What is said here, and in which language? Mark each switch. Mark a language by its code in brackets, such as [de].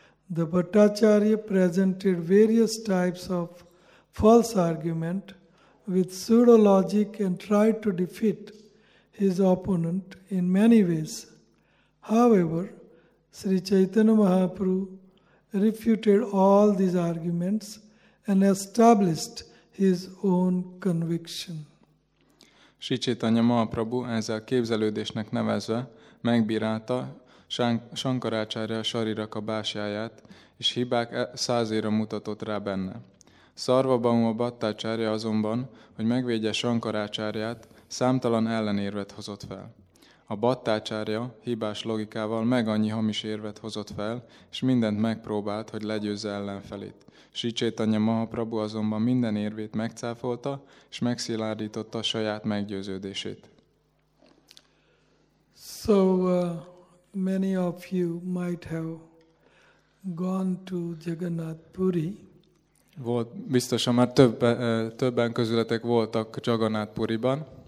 [en] The Bhattacharya presented various types of false argument with pseudo logic and tried to defeat his opponent in many ways. However, Sri Chaitanya Mahaprabhu refuted all these arguments and established his own conviction. [hu] Sri Chaitanya Mahaprabhu ezzel képzelődésnek nevezve megbírálta Shankaracharya sarirakha bhasyáját, és hibák százéra mutatott rá benne. Sarvabhauma Bhattacharya azonban, hogy megvédje Shankaracharyát, számtalan ellenérvet hozott fel. A Bhattacharya hibás logikával meg annyi hamis érvet hozott fel, és mindent megpróbált, hogy legyőzze ellenfelét. Sri Chaitanya Mahaprabhu azonban minden érvét megcáfolta, és megszilárdította a saját meggyőződését. [en] So, many of you might have gone to Jagannath Puri. [hu] Volt, biztosan már többen közületek voltak Jagannath Puriban.